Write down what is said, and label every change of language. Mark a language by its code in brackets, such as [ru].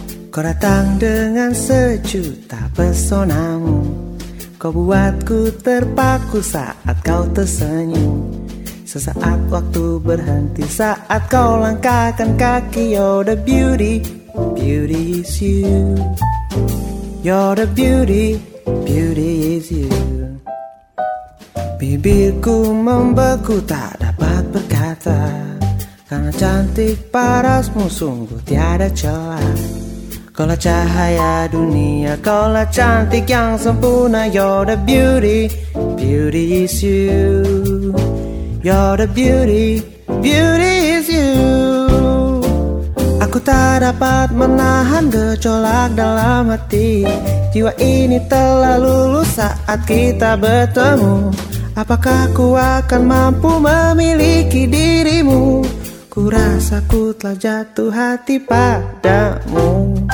[id] Kau datang dengan sejuta pesonamu. Kau buatku terpaku saat kau tersenyum. Sesaat waktu berhenti saat kau langkahkan kaki. [en] You're the beauty, beauty is you. You're the beauty, beauty is you. [id] Bibirku membeku tak dapat berkata, karena cantik parasmu sungguh tiada celah. Kau lah cahaya dunia, kau lah cantik yang sempurna. [en] You're the beauty, beauty is you. You're the beauty, beauty is you. [id] Aku tak dapat menahan gejolak dalam hati. Jiwa ini telah luluh saat kita bertemu. Apakah ku akan mampu memiliki dirimu? Ku rasa ku telah jatuh hati padamu.